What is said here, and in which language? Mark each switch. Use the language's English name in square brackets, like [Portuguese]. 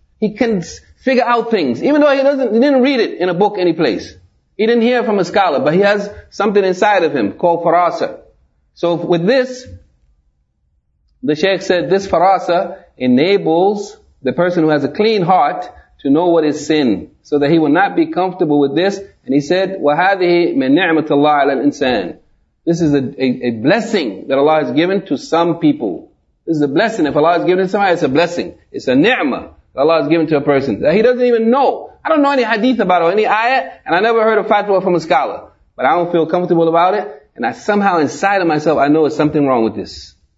[English] He can figure out things, even though he didn't read it in a book anyplace. He didn't hear from a scholar, but he has something inside of him called farasa. So with this, the Shaykh said, this farasa enables the person who has a clean heart to know what is sin, so that he will not be comfortable with this. And he said, [Arabic] وَهَذِهِ مِنْ نِعْمَةِ اللَّهِ عَلَى الْإِنسَانِ. [English] This is a blessing that Allah has given to some people. This is a blessing. If Allah has given it to somebody, it's a blessing. It's a ni'mah that Allah has given to a person that he doesn't even know. I don't know any hadith about it or any ayah, and I never heard a fatwa from a scholar. But I don't feel comfortable about it, and I somehow inside of myself, I know there's something wrong with this.